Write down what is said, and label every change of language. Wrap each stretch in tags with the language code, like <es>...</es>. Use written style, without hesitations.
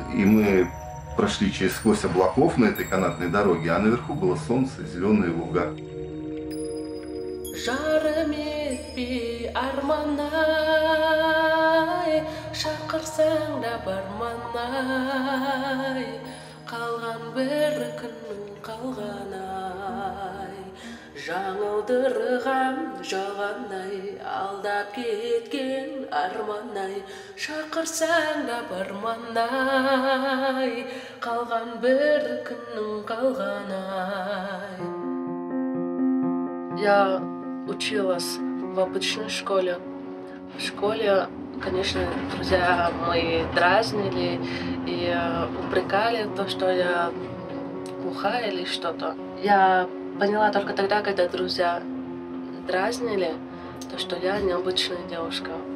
<ru>И мы прошли через сквозь облаков на этой канатной дороге, а наверху было солнце, зеленые луга.</ru> <kk>Қалған бір күннің қалған ай, жаңылдырған жоғанын ай, алдап кеткен арман ай, шақырсаң да барман ай, қалған бір күннің қалған ай.</kk> <ru>Я училась в обычной школе. В школе, конечно, друзья мои дразнили и упрекали то, что я глухая или что-то. Я поняла только тогда, когда друзья дразнили, то, что я необычная девушка.</ru>